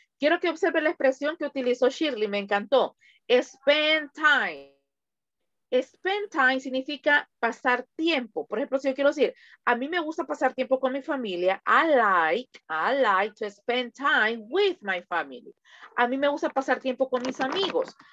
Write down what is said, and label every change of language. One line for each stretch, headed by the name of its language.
Spanish: Quiero que observe la expresión que utilizó Shirley. Me encantó. Spend time. Spend time significa pasar tiempo. Por ejemplo, si yo quiero decir, a mí me gusta pasar tiempo con mi familia.
English: I like to spend time with my family.
Spanish: A mí me gusta pasar tiempo con mis amigos.